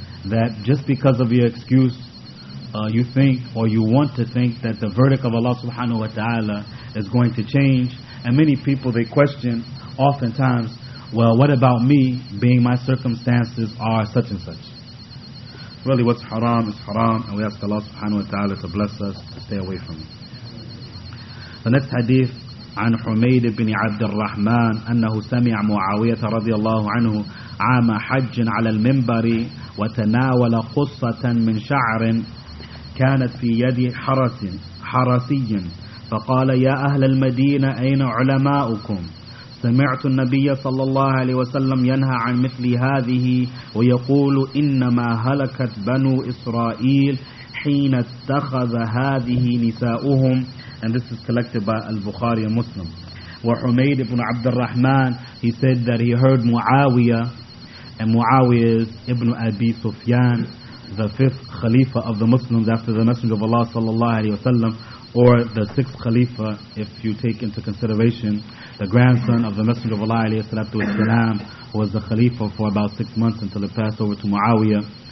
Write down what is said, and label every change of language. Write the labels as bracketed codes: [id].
[en] That just because of your excuse, you think or you want to think that the verdict of Allah subhanahu wa ta'ala is going to change. And many people, they question oftentimes, well, what about me, being my circumstances are such and such? Really, what's haram is haram, and we ask Allah subhanahu wa ta'ala to bless us to stay away from it. The next hadith, [ar] عن حميد بن عبد الرحمن أنه سمع معاوية رضي الله عنه عام حج على المنبر وتناول قصة من شعر كانت في يد حرسي فقال يا أهل المدينة أين علماؤكم سمعت النبي صلى الله عليه وسلم ينهى عن مثل هذه ويقول إنما هلكت بنو إسرائيل حين اتخذ هذه نساؤهم. [en] And this is collected by Al-Bukhari and Muslim. Where Humayd ibn Abd al-Rahman, he said that he heard Muawiyah, and Muawiyah is ibn Abi Sufyan, the fifth Khalifa of the Muslims after the Messenger of Allah sallallahu alayhi wasallam, or the sixth Khalifa if you take into consideration the grandson of the Messenger of Allah alayhi salatu wasalam, who was the Khalifa for about 6 months until it passed over to Muawiyah.